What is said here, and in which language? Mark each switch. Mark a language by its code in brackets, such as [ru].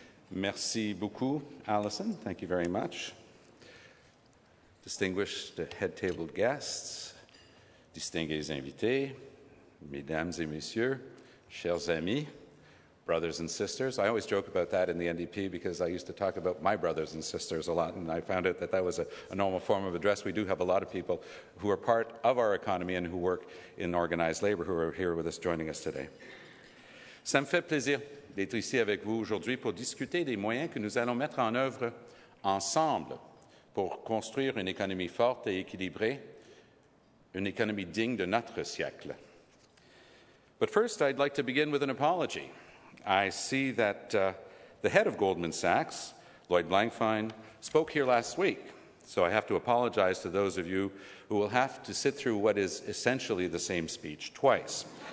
[fr] Merci beaucoup, [en] Alison. Thank you very much. Distinguished head table guests, [fr] distingués invités, mesdames et messieurs, chers amis, [en] brothers and sisters. I always joke about that in the NDP because I used to talk about my brothers and sisters a lot, and I found out that that was a normal form of address. We do have a lot of people who are part of our economy and who work in organized labor who are here with us, joining us today. [fr] Ça me fait plaisir d'être ici avec vous aujourd'hui pour discuter des moyens que nous allons mettre en œuvre ensemble pour construire une économie forte et équilibrée, une économie digne de notre siècle. [en] But first, I'd like to begin with an apology. I see that the head of Goldman Sachs, Lloyd Blankfein, spoke here last week, so I have to apologize to those of you who will have to sit through what is essentially the same speech twice.